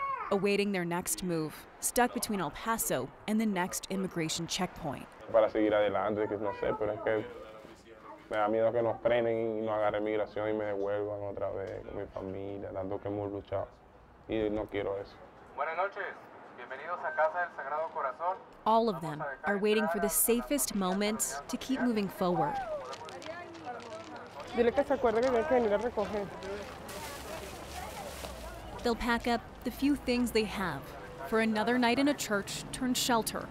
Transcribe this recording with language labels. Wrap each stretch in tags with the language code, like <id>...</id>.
<en>Awaiting their next move, stuck between El Paso and the next immigration checkpoint.</en> <es>Para seguir adelante, que no sé, pero es que me da miedo que nos frenen y nos agarre migración y me devuelvan otra vez con mi familia, tanto que hemos luchado y no quiero eso. Buenas noches, bienvenidos a Bienvenidos a casa del Sagrado Corazón.</es> <en>All of them are waiting for the safest moment to keep moving forward.</en> <es>Dile que se acuerde que tiene que venir a recoger.</es> <en>They'll pack up the few things they have for another night in a church turned shelter.</en>